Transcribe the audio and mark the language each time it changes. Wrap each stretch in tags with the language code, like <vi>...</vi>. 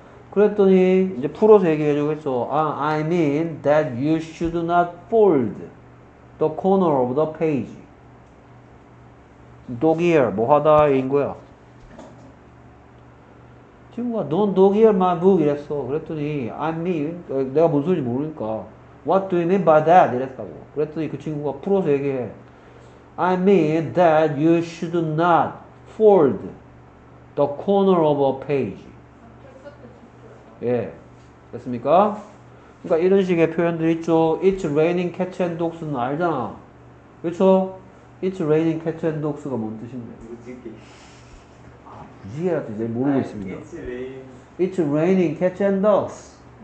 <ko>그랬더니 이제 풀어서 얘기해 주겠죠.</ko> <en>I mean that you should not fold the corner of the page.</en> <ko>Dog ear, 뭐하다인 거야. 친구가</ko> <en>Don't dog ear my book</en> <ko>이랬어. 그랬더니</ko> <en>I mean,</en> <ko>내가 뭔 소리인지 모르니까</ko> <en>What do you mean by that?</en> <ko>이랬다고. 그랬더니 그 친구가 풀어서 얘기해.</ko> <en>I mean that you should not fold the corner of a page.</en> <ko>예. 됐습니까? 그러니까 이런 식의 표현들 있죠.</ko> <en>It's raining cats and dogs는</en> <ko>알잖아. 그렇죠?</ko> <en>It's raining cats and dogs가</en> <ko>뭔 뜻인데? 무지개. 아, 무지개라도 이제 모르고 있습니다.</ko> <en>It's raining cats and dogs.</en>